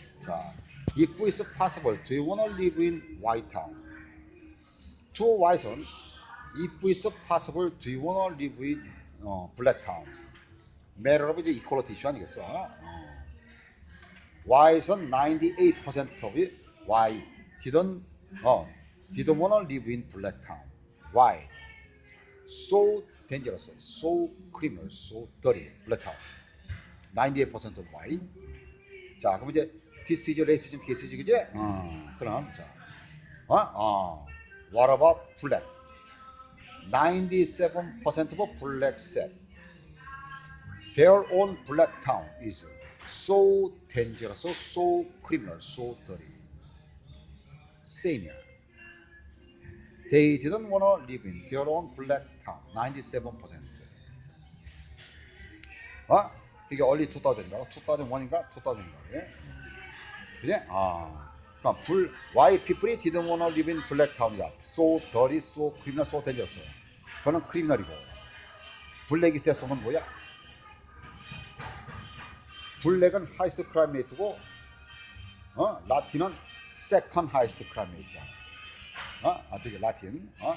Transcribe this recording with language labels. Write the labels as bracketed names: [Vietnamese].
[English] 자, if it's possible, do you want to live in white town? Two white은 if it's possible, do you want to live in black town? [Korean] 매러로 이제 이퀄리티 이슈 아니겠어? [English] White은 98% of it, white didn't want to live in black town. Why? So dangerous, so criminal, so dirty, black town. 98% of white. [Korean] 자, 그럼 이제 [English] this is a racism case, 그지? [Korean] 그럼 자, [English] what about black? 97% of black said their own black town is so dangerous, so criminal, so dirty. Same here. They didn't want to live in their own black town. [Korean] 97%. 이게 early 2000이라고? 2001인가? 2000인가? 예? 그지? 그러니까 [English] why people didn't want to live in black town? So dirty, so criminal, so dangerous. [Korean] 그거는 크리미널이고 블랙이 세서는 뭐야? 블랙은 하이스트 크라임 레이트고 라틴은 세컨 하이스트 크라임 레이트야. 저기 라틴.